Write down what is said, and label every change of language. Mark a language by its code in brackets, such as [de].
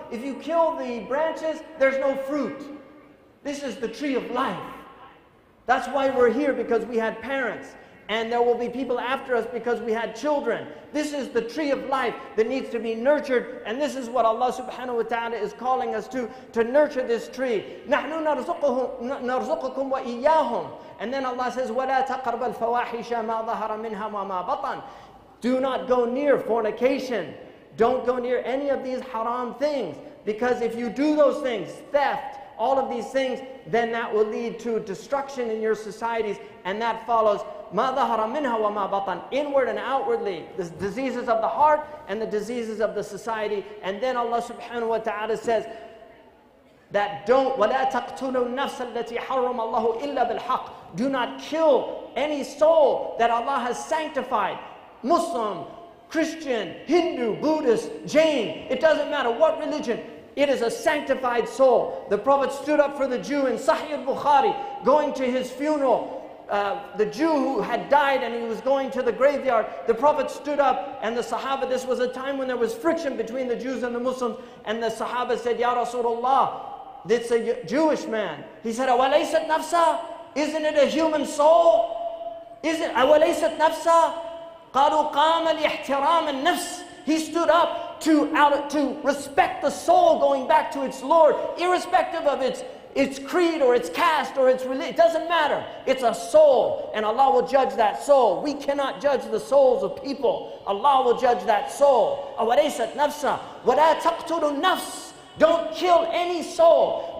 [en] If you kill the branches, there's no fruit. This is the tree of life. That's why we're here, because we had parents. And there will be people after us because we had children. This is the tree of life that needs to be nurtured. And this is what Allah subhanahu wa ta'ala is calling us to nurture this tree. [ar] نَحْنُ نَرْزُقُكُمْ وَإِيَّاهُمْ. [en] And then Allah says, [ar] وَلَا تَقَرْبَ الْفَوَاحِشَ مَا ظَهَرَ مِنْهَا وَمَا بَطَنْ. [en] Do not go near fornication. Don't go near any of these haram things. Because if you do those things, theft, all of these things, then that will lead to destruction in your societies. And that follows, [ar] مَا ظَهَرَ مِنْهَا وَمَا بَطَنْ. [en] Inward and outwardly, the diseases of the heart and the diseases of the society. And then Allah subhanahu wa ta'ala says, that don't, [ar] وَلَا تَقْتُلُوا النَّفْسَ الَّتِي حَرَّمَ اللَّهُ إِلَّا بِالْحَقِّ. [en] Do not kill any soul that Allah has sanctified. Muslim, Christian, Hindu, Buddhist, Jain, it doesn't matter what religion, it is a sanctified soul. The Prophet stood up for the Jew in Sahih al-Bukhari, going to his funeral. The Jew who had died and he was going to the graveyard, the Prophet stood up and the Sahaba, this was a time when there was friction between the Jews and the Muslims, and the Sahaba said, [ar] Ya Rasulullah, [en] it's a Jewish man. He said, [ar] أَوَلَيْسَتْ نَفْسَا. [en] Isn't it a human soul? [ar] أَوَلَيْسَتْ نَفْسَا. قَالُوا قَامَ لِيَحْتِرَامَ النَّفْسِ. [en] He stood up to respect the soul going back to its Lord, irrespective of its creed or its caste or its religion. It doesn't matter. It's a soul, and Allah will judge that soul. We cannot judge the souls of people. Allah will judge that soul. [ar] أَوَلَيْسَتْ نَفْسَ وَلَا تَقْتُلُ النَّفْسِ. [en] Don't kill any soul.